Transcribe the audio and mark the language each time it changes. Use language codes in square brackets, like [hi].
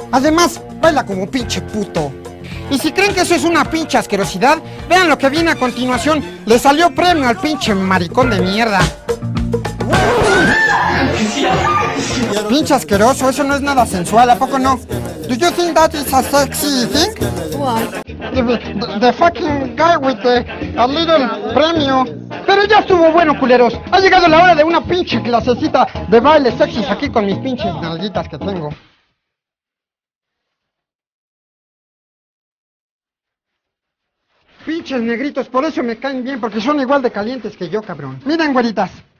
[es] Además, baila como pinche puto. Y si creen que eso es una pinche asquerosidad, vean lo que viene a continuación. Le salió premio al pinche maricón de mierda. Pinche asqueroso, eso no es nada sensual, ¿a poco no? [en] Do you think that is a sexy thing? What? The fucking guy with the a little premio. [es] Pero ya estuvo bueno, culeros. Ha llegado la hora de una pinche clasecita de baile sexy aquí con mis pinches nalguitas que tengo. Pinches negritos, por eso me caen bien, porque son igual de calientes que yo, cabrón. Miren, güeritas.